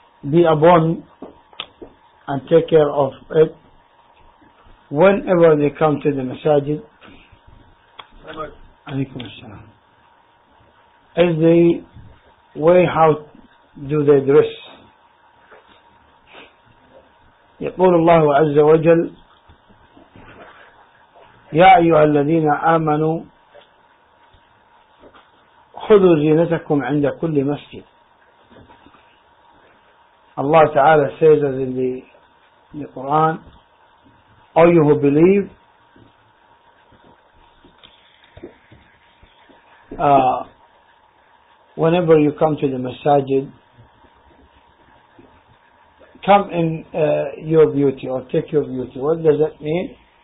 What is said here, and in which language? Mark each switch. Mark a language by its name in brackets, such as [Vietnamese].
[English] be upon and take care of it whenever they come to the masajid [Arabic] عليكم السلام [English] is the way how do they dress. [Arabic] يقول الله عز وجل يا أيها الذين آمنوا خذوا زينتكم عند كل مسجد. الله تعالى [English] says in the Quran, all you who believe, whenever you come to the masajid, come in your beauty or take your beauty. What does that mean?